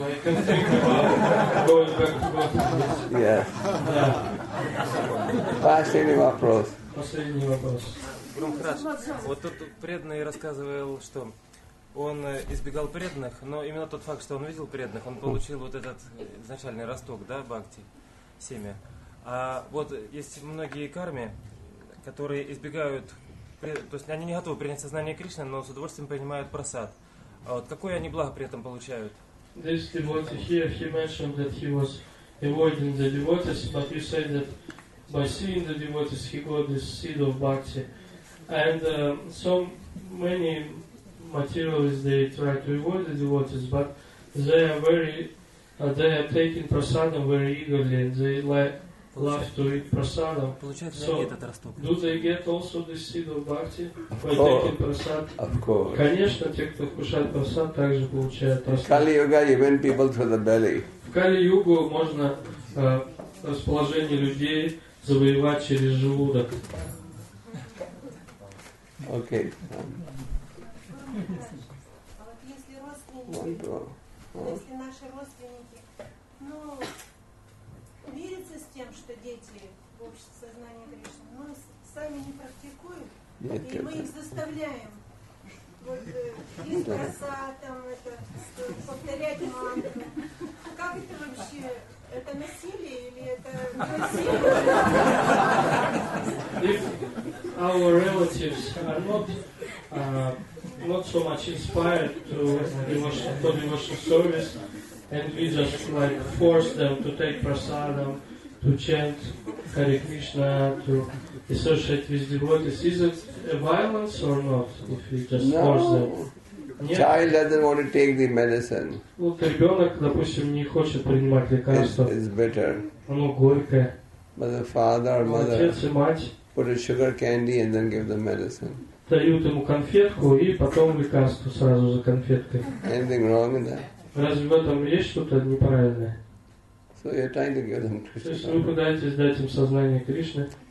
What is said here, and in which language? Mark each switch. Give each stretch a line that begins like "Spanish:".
English: So I can think about going back to Yes. Yeah.
Russian: Последний вопрос. Последний вопрос. Брумхрадж, вот тут преданный рассказывал, что он избегал преданных, но именно тот факт, что он видел преданных, он получил вот этот изначальный росток, да, бхакти, семя. А вот есть многие карми, которые избегают, то есть они не готовы принять сознание Кришны, но с удовольствием принимают прасад. А вот какое они благо при этом получают?
English: This devotee here, he mentioned that he was avoiding the devotees, but you said that by seeing the devotees, he got this seed of bhakti. And so many materialists, they try to avoid the devotees, but they are very, they are taking prasadam very eagerly, and they love to eat prasadam. So do they get also this seed of bhakti by taking prasad? Of course.
Russian: Конечно, те, кто кушает прасад, также получают прасад.
English: Kali-yuga, you win people through the belly.
Russian: В Кали-югу можно расположение людей завоевать через желудок. Окей. А вот если родственники, если наши родственники, ну, мирятся с тем, что дети в обществе сознания Кришны, но сами не практикуют, и мы их заставляем. Вот из
English: If our relatives are not so much inspired to devotional service, and we just like force them to take prasadam, to chant Hare Krishna, to associate with devotees, is it a violence or not? If we just force them? Yeah. Child doesn't want to take the medicine.
Russian: Вот ребенок, допустим, не хочет принимать лекарство.
English: It's bitter.
Russian: Оно горькое.
English: But the father or mother
Russian: отец и мать
English: put a sugar candy and then give them medicine.
Russian: Дают ему конфетку и потом лекарство сразу за конфеткой.
English: Anything wrong in that?
Russian: Разве в этом есть что-то неправильное?
English: So you're trying to give them Krishna.
Russian: То есть вы пытаетесь дать им сознание Кришны.